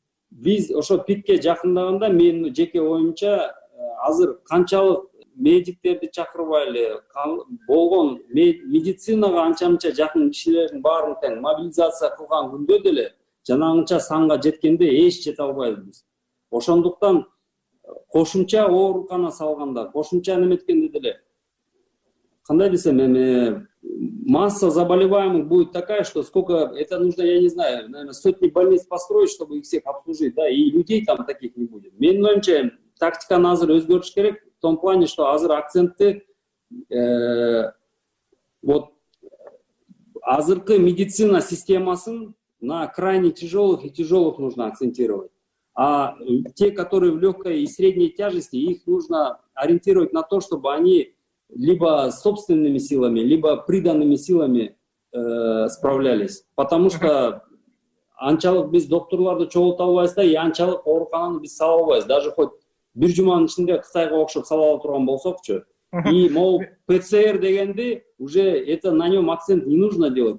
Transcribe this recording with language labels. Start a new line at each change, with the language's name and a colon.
Kyrgyz: Биз ошо пикке жакындаганда менин жеке оюмча азыр канчалык медиктерди чакырбай эле болгон медицинага анча мынча жакын кишилердин баарын тең мобилизация кылган күндө деле жанагынча санга жеткенде эч жете албайбыз. Ошондуктан кошумча оорукана салганда, кошумча неметкенде деле, кандай десем, эми
Russian: масса заболеваемых будет такая, что сколько это нужно, я не знаю, наверное, сотни больниц построить, чтобы их всех обслужить, да, и людей там таких не будет.
Kyrgyz: Менин оюмча тактиканы азыр өзгөртүш керек,
Russian: в том плане, что
Kyrgyz: азыр акцентти вот азыркы медицина системасын
Russian: на крайне тяжелых и тяжелых нужно акцентировать. А те, которые в легкой и средней тяжести, их нужно ориентировать на то, чтобы они либо собственными силами, либо приданными силами справлялись. Потому что
Kyrgyz: анчалык биз докторларды чогулта албайбыз да, и анчалык оорукананы биз сала албайбыз. Даже хоть бир жуманын ичинде Кытайга окшоп сала ала турган болсокчу.
Russian: И могу ПЦР
Kyrgyz: дегенди
Russian: уже это на нем акцент не нужно делать.